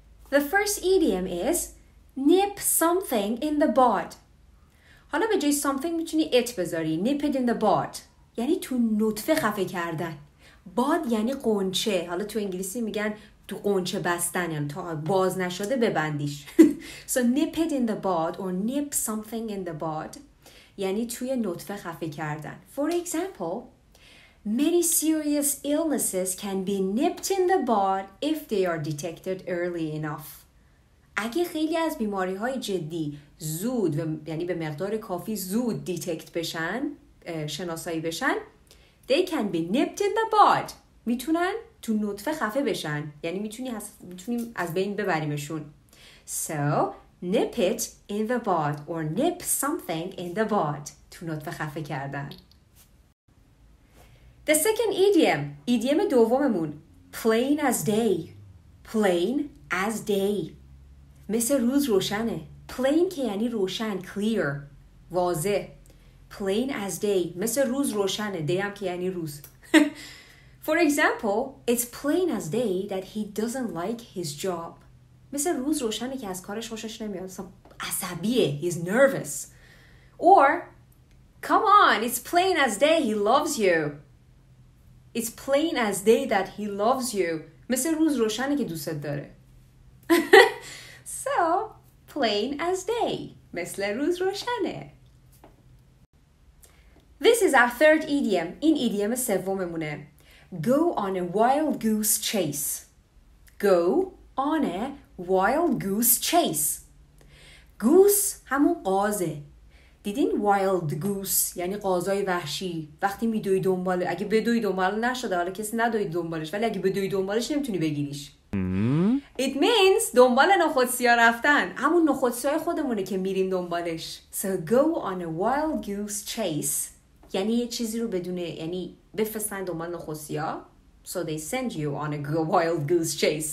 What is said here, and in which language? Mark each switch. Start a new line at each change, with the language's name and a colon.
English: The first idiom is nip something in the bud.
Persian: حالا به جای something میتونی it بذاری.
English: Nip it in the bud.
Persian: یعنی تو نطفه خفه کردن. باد یعنی قنچه، حالا تو انگلیسی میگن تو قنچه بستن، یعنی تا باز نشده ببندیش.
English: So nip it in the bud or nip something in the bud
Persian: یعنی توی نطفه خفه کردن.
English: For example, many serious illnesses can be nipped in the bud if they are detected early enough.
Persian: اگه خیلی از بیماری های جدی زود و یعنی به مقدار کافی زود دیتکت بشن، شناسایی بشن،
English: they can be nipped in the bud.
Persian: میتونن تو نطفه خفه بشن. یعنی میتونیم از بین ببریمشون.
English: So, nip it in the bud or nip something in the bud.
Persian: تو نطفه خفه کردن.
English: The second idiom.
Persian: ایدیم دوممون.
English: Plain as day. Plain as day.
Persian: مثل روز روشنه.
English: Plain
Persian: که یعنی روشن.
English: Clear.
Persian: واضح.
English: Plain as day.
Persian: مثل روز روشنه. Day هم که یعنی روز.
English: For example, it's plain as day that he doesn't like his job.
Persian: مثل روز روشنه که از کارش خوشش نمیاد. عصبیه.
English: He's nervous. Or, come on, it's plain as day he loves you. It's plain as day that he loves you.
Persian: مثل روز روشنه که دوست داره.
English: So, plain as day.
Persian: مثل روز روشنه.
English: This is our third idiom.
Persian: این idiom سوممونه.
English: Go on a wild goose chase. Go on a wild goose chase.
Persian: Goose همون قازه. دیدین wild goose یعنی قازای وحشی. وقتی میدوی دنبال، اگه بدوی دنبال نشده، حالا کسی ندوی دنبالش، ولی اگه بدوی دنبالش نمیتونی بگیریش.
English: It means
Persian: دنبال نخودسی ها رفتن. همون نخودسی های خودمونه که میریم دنبالش.
English: So go on a wild goose chase.
Persian: یعنی یه چیزی رو بدونه، یعنی بفرستن دنبال نخوصی ها.
English: So they send you on a wild goose chase.